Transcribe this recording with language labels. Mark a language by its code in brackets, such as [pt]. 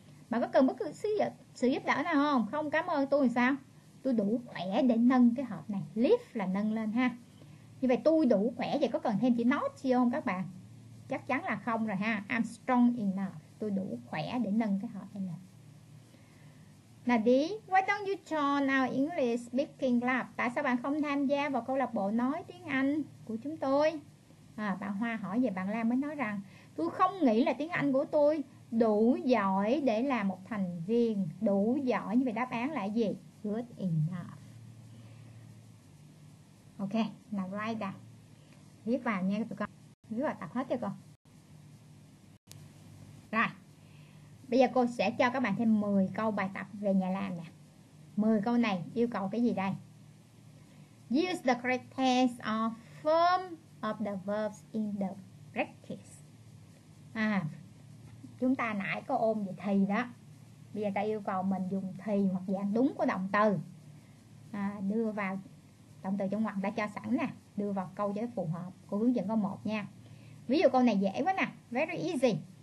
[vi] Bà có cần bất cứ sự giúp đỡ nào không? Không, cảm ơn tôi thì sao? Tôi đủ khỏe để nâng cái hộp này. Lift là nâng lên ha. Như vậy tôi đủ khỏe vậy có cần thêm chữ not chưa không các bạn? Chắc chắn là không rồi ha. [en] I'm strong enough. [vi] Tôi đủ khỏe để nâng cái hộp này lên. [en] Nadi, why don't you join our English speaking club? [vi] Tại sao bạn không tham gia vào câu lạc bộ nói tiếng Anh của chúng tôi? À, bạn Hoa hỏi về bạn Lam mới nói rằng tôi không nghĩ là tiếng Anh của tôi đủ giỏi để làm một thành viên. Đủ giỏi như vậy đáp án là gì? [en] Good enough. Ok, now write down. [vi] Viết vào nha tụi con. Viết vào tập hết cho con. Rồi. Bây giờ cô sẽ cho các bạn thêm 10 câu bài tập về nhà làm nè. 10 câu này yêu cầu cái gì đây? [en] Use the correct tense or form of the verbs in the practice. [vi] À, chúng ta nãy có ôm về thì đó. Bây giờ ta yêu cầu mình dùng thì hoặc dạng đúng của động từ. À, đưa vào động từ trong ngoặc đã cho sẵn nè. Đưa vào câu cho phù hợp. Cô hướng dẫn câu 1 nha. Ví dụ câu này dễ quá nè. [en] Very easy.